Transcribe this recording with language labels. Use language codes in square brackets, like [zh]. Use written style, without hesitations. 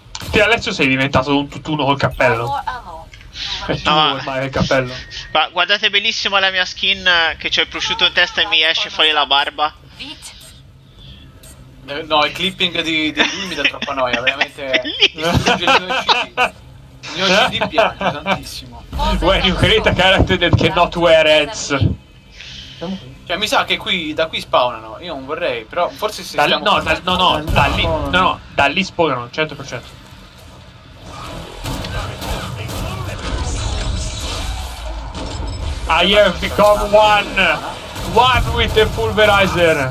[it] Ti Alessio sei diventato un tutt'uno col cappello. No, ma... ormai il cappello. Ma guardate benissimo la mia skin che c'ho il prosciutto in testa e mi esce fuori la barba. No, il clipping di lui mi dà troppa noia, veramente. Il mio CD piace tantissimo. [en] When you create a character that cannot wear hats. [it] Cioè mi sa che qui da qui spawnano. Io non vorrei, però forse se lì, no, da, no, no, da lì, no, no, da lì spawnano 100%. [en] I have become one with the pulverizer.